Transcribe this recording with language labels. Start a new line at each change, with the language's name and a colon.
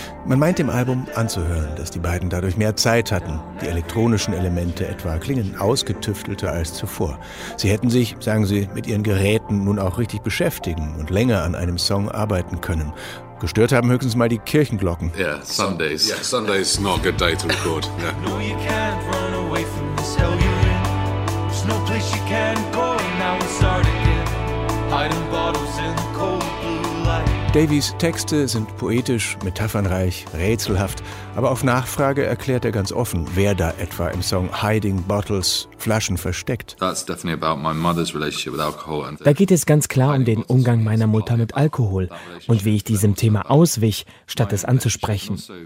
German: Man meint dem Album anzuhören, dass die beiden dadurch mehr Zeit hatten. Die elektronischen Elemente etwa klingen ausgetüftelter als zuvor. Sie hätten sich, sagen sie, mit ihren Geräten nun auch richtig beschäftigen und länger an einem Song arbeiten können. Gestört haben höchstens mal die Kirchenglocken.
English: Yeah, Sundays. Yeah, Sundays not a good day to record. Yeah. No, you can't run away from this hell you're in. There's no place you can go now and start again. Hiding bottles in the cold blue light.
German: Davies Texte sind poetisch, metaphernreich, rätselhaft, aber auf Nachfrage erklärt er ganz offen, wer da etwa im Song Hiding Bottles Flaschen versteckt. Da geht es ganz klar um den Umgang meiner Mutter mit Alkohol und wie ich diesem Thema auswich, statt es anzusprechen.